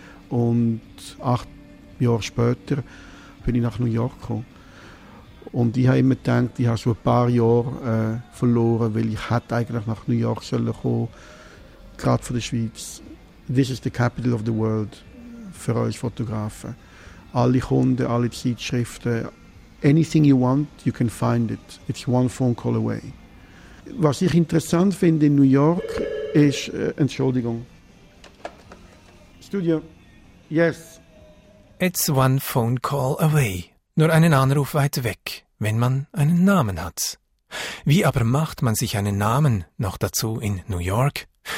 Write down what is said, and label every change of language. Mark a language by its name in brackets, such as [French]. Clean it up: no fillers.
[German] Und 8 Jahre später bin ich nach New York gekommen. Und ich habe immer gedacht, ich habe so ein paar Jahre verloren, weil ich hätte eigentlich nach New York sollen kommen, gerade von der Schweiz. [English] This is the capital of the world [German] für uns Fotografen. Alle Kunden, alle Zeitschriften, [English] anything you want, you can find it. It's one phone call away. [German] Was ich interessant finde in New York ist, Entschuldigung. [English] Studio. Yes. It's one phone call away. [German] Nur einen Anruf weit weg, wenn man einen Namen hat. Wie aber macht man sich einen Namen, noch dazu in New York?